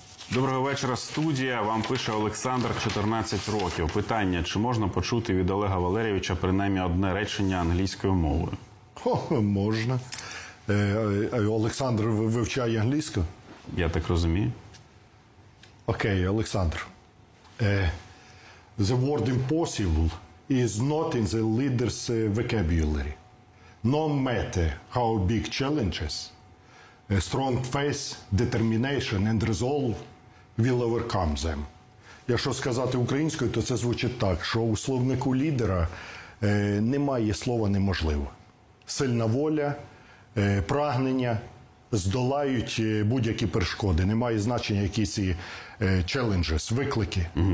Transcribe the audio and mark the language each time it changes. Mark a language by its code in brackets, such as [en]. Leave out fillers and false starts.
[uk] Доброго вечора, студія. Вам пише Олександр, 14 років. Питання, чи можна почути від Олега Валерійовича принаймні одне речення англійською мовою? О, можна. Олександр вивчає англійську? Я так розумію. Окей, Олександр. [en] The word impossible is not in the leader's vocabulary. No matter how big challenges, strong faith, determination and resolve will overcome them. [uk] Якщо сказати українською, то це звучить так, що у словнику лідера немає слова неможливо. Сильна воля, прагнення здолають будь-які перешкоди. Немає значення, які ці challenges, виклики.